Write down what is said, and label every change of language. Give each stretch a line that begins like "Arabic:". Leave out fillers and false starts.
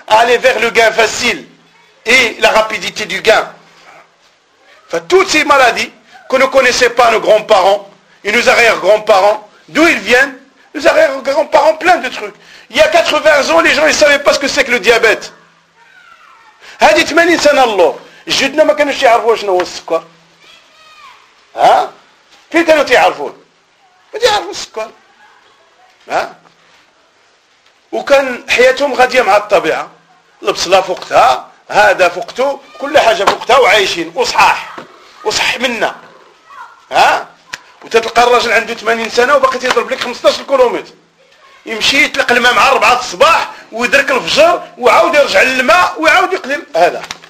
French: À aller vers le gain facile et la rapidité du gain. Enfin, toutes ces maladies que ne connaissaient pas nos grands-parents et nos arrière-grands-parents, d'où ils viennent? Nos arrière-grands-parents, plein de trucs. Il y a 80 ans, les gens ne savaient pas ce que c'est que le diabète.
Arabic: Hadith Manin Sanallah. جدنا ما كانوش يعرفوا شنو هو السكر، ها في كانوا تيعرفون بدي يعرفوا السكر ها وكان حياتهم غاديه مع الطبيعه البصله فوقتها هذا فوقته كل حاجه فوقتها وعايشين وصحاح وصح منا ها وتتلقى الراجل عنده 80 سنه وباقي تيضرب لك 15 كيلومتر يمشي يطلق الماء مع 4 الصباح ويدرك الفجر وعاود يرجع للماء ويعاود يقلب هذا